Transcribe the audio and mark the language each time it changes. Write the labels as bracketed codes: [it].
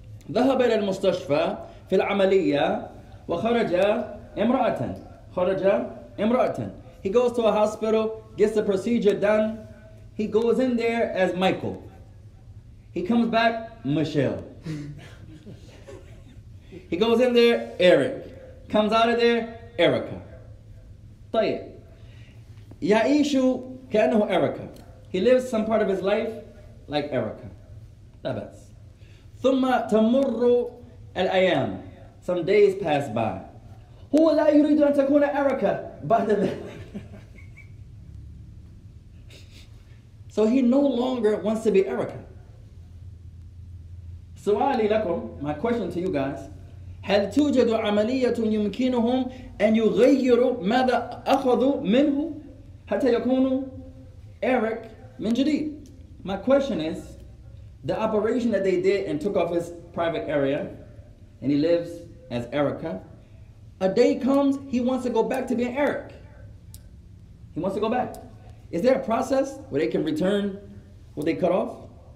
[ar] ذهب إلى المستشفى في العملية وخرج امرأة. خرج امرأة. [en] He goes to a hospital, gets the procedure done. He goes in there as Michael. He comes back, Michelle. He goes in there, Eric. Comes out of there, Erica. [ar] طيب. يعيش كأنه [en] Erica. He lives some part of his life like Erica. [ar] لا بأس. ثم تمر الأيام. [en] Some days pass by. [ar] هو لا يريد أن تكون أريكا بعد ذلك. [en] So he no longer wants to be Erica. [ar] سؤالي لكم, [en] my question to you guys, [ar] هل توجد عملية يمكنهم أن يغيروا ماذا أخذوا منه حتى يكونوا Eric من جديد? [en] My question is, the operation that they did and took off his private area, and he lives as Erica, a day comes, he wants to go back to being Eric. He wants to go back. Is there a process where they can return what they cut off?